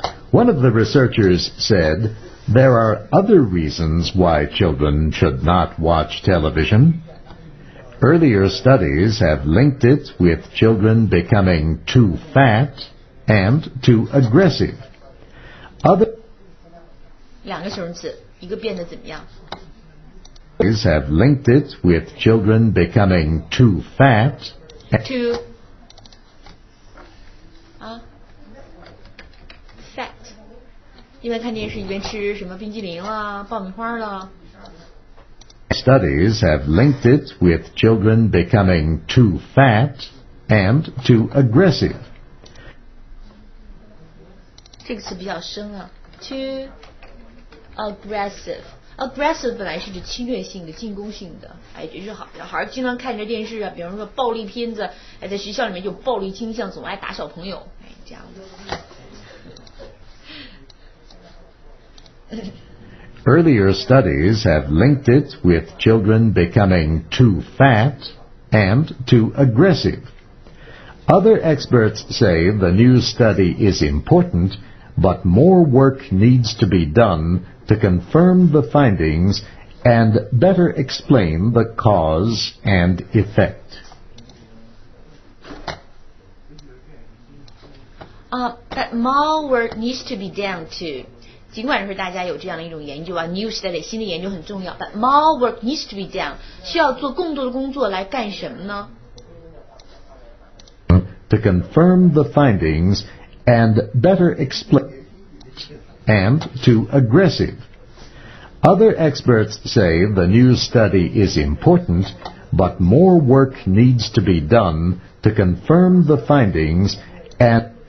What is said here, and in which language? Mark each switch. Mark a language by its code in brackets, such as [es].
[en] One of the researchers said, there are other reasons why children should not watch television. Earlier studies have linked it with children becoming too fat and too aggressive. Other... [zh] 两个形容词，一个变得怎么样 [en] ？These have linked it with children becoming too fat. Too. 啊 ，fat. [zh] 因为看电视一边吃什么冰激凌啦、爆米花啦。 [en] Studies have linked it with children becoming too fat and too aggressive. [zh] 这个词比较深啊 ， [en] too. Aggressive, aggressive [zh] 本来是指侵略性的、进攻性的，哎，这是好。小孩经常看着电视啊，比方说暴力片子，哎，在学校里面就暴力倾向，总爱打小朋友，哎，这样子。 [en] Earlier studies have linked it with children becoming too fat and too aggressive. Other experts say the new study is important, but more work needs to be done. To confirm the findings and better explain the cause and effect. But more work needs to be done too. [zh] 尽管是大家有这样的一种研究啊 ， [en] new study [zh] 新的研究很重要。 [en] But more work needs to be done. [zh] 需要做更多的工作来干什么呢 [en] ？To confirm the findings and better explain and too aggressive. Other experts say the new study is important, but more work needs to be done to confirm the findings and